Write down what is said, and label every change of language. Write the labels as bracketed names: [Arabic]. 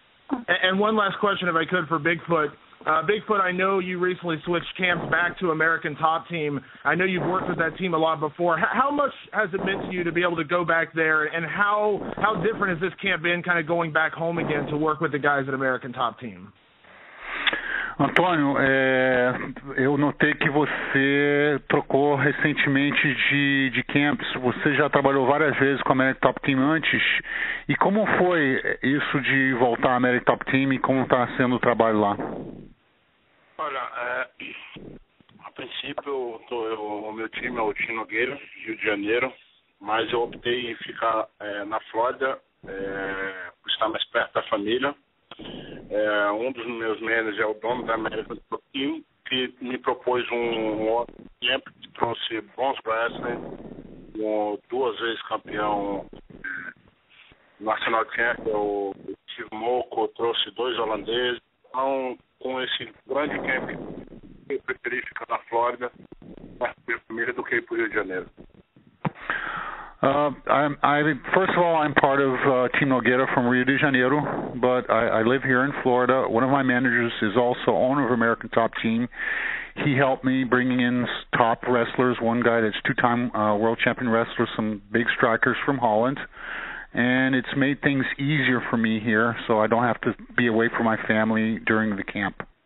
[English] And one last question, if I could, for Bigfoot. Bigfoot, I know you recently switched camps back to American Top Team. I know you've worked with that team a lot before. How much has it meant to you to be able to go back there, and how different has this camp been kind of going back home again to work with the guys at American Top Team? [Portuguese] Antônio, eu notei que você trocou recentemente de camps. Você já trabalhou várias vezes com a American Top Team antes. E como foi isso de voltar à American Top Team e como está sendo o trabalho lá? Olha, a princípio o meu time é o Tim Nogueira, Rio de Janeiro, mas eu optei em ficar na Flórida, por estar mais perto da família. Um dos meus managers é o dono da American Top Team, que me propôs um camp que trouxe bons wrestlers, duas vezes campeão nacional camp, o Steve Moco, trouxe dois holandeses. Então, com esse grande camp, eu preferi ficar na Flórida mais para a família do que para o Rio de Janeiro. [English] First of all, I'm part of Team Nogueira from Rio de Janeiro, but I live here in Florida. One of my managers is also owner of American Top Team. He helped me bringing in top wrestlers, one guy that's two-time world champion wrestler, some big strikers from Holland, and it's made things easier for me here, so I don't have to be away from my family during the camp.